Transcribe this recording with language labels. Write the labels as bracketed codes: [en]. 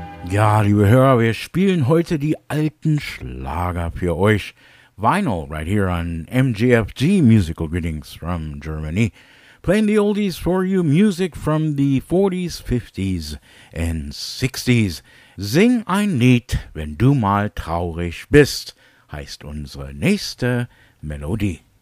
[de] Ja, liebe Hörer, wir spielen heute die alten Schlager für euch. [en] Vinyl, right here on Mgfg, musical greetings from Germany. Playing the oldies for you, music from the 40s, 50s and 60s. [de] Sing ein Lied, wenn du mal traurig bist, heißt unsere nächste Melodie.